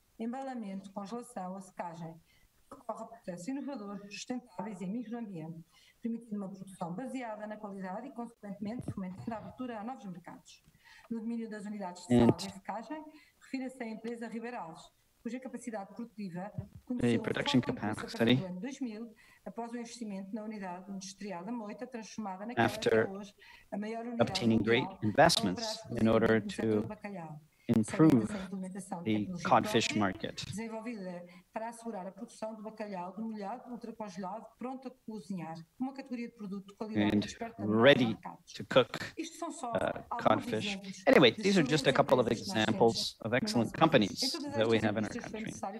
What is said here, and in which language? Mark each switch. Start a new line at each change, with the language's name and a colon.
Portuguese: embalamento, congelação, secagem, que ocorre processos inovadores, sustentáveis e amigos do ambiente, permitindo uma produção baseada na qualidade e, consequentemente, fomentando a abertura a novos mercados. No domínio das unidades de
English: and,
Portuguese: sal e secagem, refira-se à empresa Ribeira Alves, cuja capacidade produtiva começou a ser construída em 2000, após o investimento na unidade industrial da Moita, transformada naquela
English: after
Portuguese: que hoje a maior unidade
English: obtaining great investments in order to improve the codfish market.
Portuguese: Desenvolvida para assegurar a produção do bacalhau do molhado ultracongelado pronto a cozinhar, uma categoria de produto de qualidade
English: and ready to cook codfish. Anyway, these are just a couple of examples of excellent companies that we have in our country.